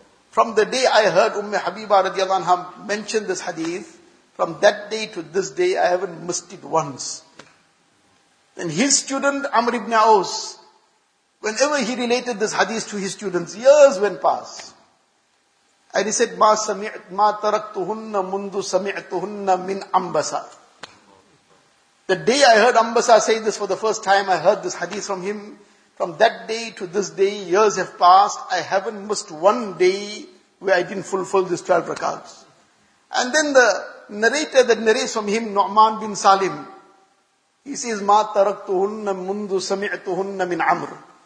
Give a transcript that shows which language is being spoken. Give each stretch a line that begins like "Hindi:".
English: From the day I heard Ummi Habiba radiallahu anha mention this hadith, from that day to this day, I haven't missed it once. Then his student, Amr ibn Aus, whenever he related this hadith to his students, years went past. And he said,
Arabic: مَا تَرَكْتُهُنَّ مُنْذُ سَمِعْتُهُنَّ مِنْ أَمْبَسَ.
English: The day I heard Ambasa say this for the first time, I heard this hadith from him. From that day to this day, years have passed, I haven't missed one day where I didn't fulfill these 12 rakats. And then the narrator that narrates from him, Nu'man bin Salim, he says,
Arabic: مَا تَرَكْتُهُنَّ مُنْذُ سَمِعْتُهُنَّ مِنْ عَمْرُ.